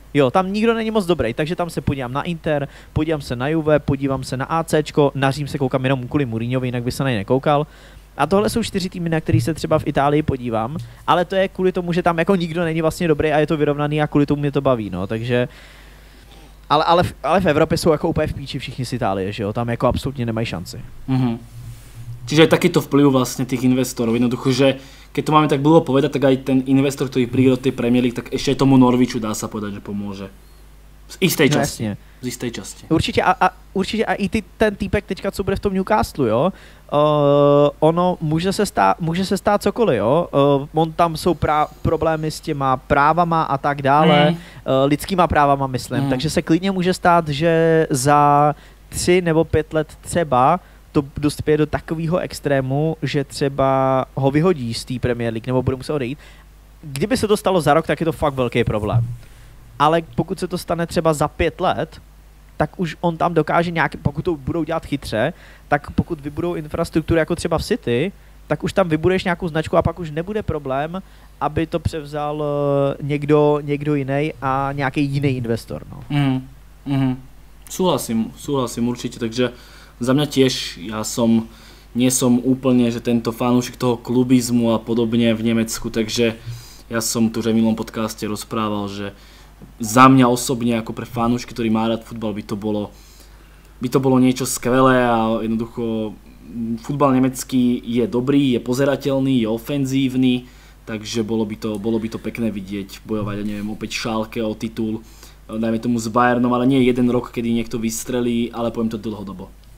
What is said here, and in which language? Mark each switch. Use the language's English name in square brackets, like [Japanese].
[Czech] Jo, tam nikdo není moc dobrý, takže tam se podívám na Inter, podívám se na Juve, podívám se na AC-čko, na Řím se koukám jenom kvůli Mourinhovi, jinak by se na ně nekoukal. A tohle jsou 4 týmy, na který se třeba v Itálii podívám, ale to je kvůli tomu, že tam jako nikdo není vlastně dobrý a je to vyrovnaný a kvůli tomu mě to baví, no, takže... Ale v Evropě jsou jako úplně v píči všichni z Itálie, že jo, tam jako absolutně nemají šanci. Mm-hmm. [Slovak] Čiže aj takýto vplyv vlastne tých investorov. Jednoducho, že keď to máme tak blbo povedať, tak aj ten investor, ktorý príde do tej Premier League, tak ešte aj tomu Norwichu dá sa povedať, že pomôže. Z istej časti. No, z istej časti. [Czech] Určite, určite a i ten týpek teďka, co bude v tom Newcastle, jo? Ono může se stát cokoliv, jo? On tam jsou problémy s těma právama a tak dále, lidskýma právama, myslím. Takže se klidně může stát, že za 3 nebo 5 let třeba to dospěje do takového extrému, že třeba ho vyhodí z té Premier League nebo bude muset odejít. Kdyby se to stalo za rok, tak je to fakt velký problém. Ale pokud se to stane třeba za 5 let, tak už on tam dokáže nějaký, pokud to budou dělat chytře, tak pokud vybudou infrastrukturu jako třeba v City, tak už tam vybuduješ nějakou značku a pak už nebude problém, aby to převzal někdo jiný a nějaký jiný investor. No. [Slovak] Súhlasím určite, takže za mňa tiež, ja som, nie som úplne, že tento fanúšik toho klubizmu a podobne v Nemecku, takže ja som tu že v minulom podcaste rozprával, že za mňa osobne, ako pre fanúšky, ktorý má rád futbal, by to bolo niečo skvelé a jednoducho futbal nemecký je dobrý, je pozerateľný, je ofenzívny, takže bolo by to pekné vidieť, bojovať, ja neviem, opäť Schalke o titul, dajme tomu s Bayernom, ale nie jeden rok, kedy niekto vystrelí, ale poviem to dlhodobo.